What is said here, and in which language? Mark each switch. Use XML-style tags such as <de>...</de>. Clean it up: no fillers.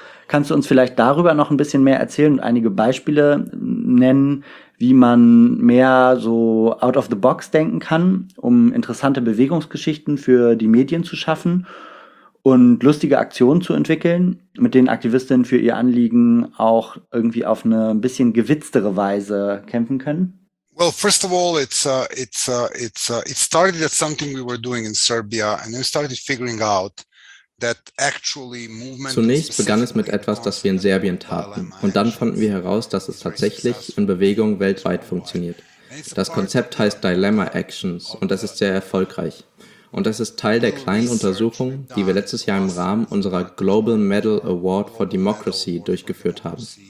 <de>Kannst du uns vielleicht darüber noch ein bisschen mehr erzählen und einige Beispiele nennen, wie man mehr so</de> <en>out of the box</en> <de>denken kann, um interessante Bewegungsgeschichten für die Medien zu schaffen und lustige Aktionen zu entwickeln, mit denen Aktivistinnen für ihr Anliegen auch irgendwie auf eine ein bisschen gewitztere Weise kämpfen können?</de> <en>Well, first of all, it started at something we were doing in Serbia, and then started figuring out that actually movement.</en> <de>Zunächst begann es mit etwas, das wir in Serbien taten, und dann fanden wir heraus, dass es tatsächlich in Bewegung weltweit funktioniert. Das Konzept heißt Dilemma Actions, und das ist sehr erfolgreich. Und das ist Teil der kleinen Untersuchung, die wir letztes Jahr im Rahmen unserer Global Medal Award for Democracy durchgeführt haben.</de>